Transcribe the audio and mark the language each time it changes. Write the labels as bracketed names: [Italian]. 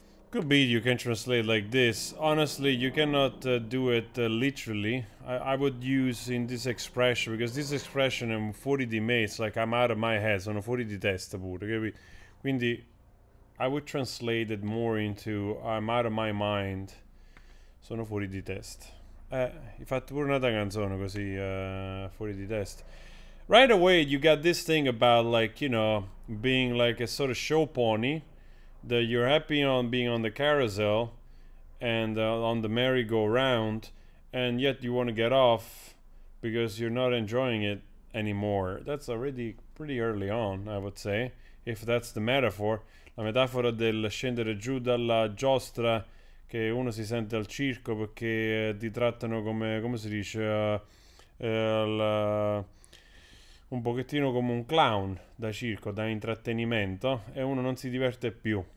[English] Could be you can translate like this. Honestly, you cannot do it literally. I would use in this expression, because this expression I'm [Italian] fuori di me. [English] It's like I'm out of my head. [Italian] Sono fuori di testa pure. [English] Okay? Quindi, I would translate it more into I'm out of my mind. [Italian] Sono fuori di testa. Hai fatto pure un'altra canzone così, fuori di testa. [English] Right away you got this thing about, like, you know, being like a sort of show pony, that you're happy on being on the carousel and on the merry-go-round, and yet you want to get off because you're not enjoying it anymore. That's already pretty early on, I would say, if that's the metaphor. [Italian] La metafora del scendere giù dalla giostra, che uno si sente al circo perché ti trattano come si dice, un pochettino come un clown da circo, da intrattenimento, e uno non si diverte più.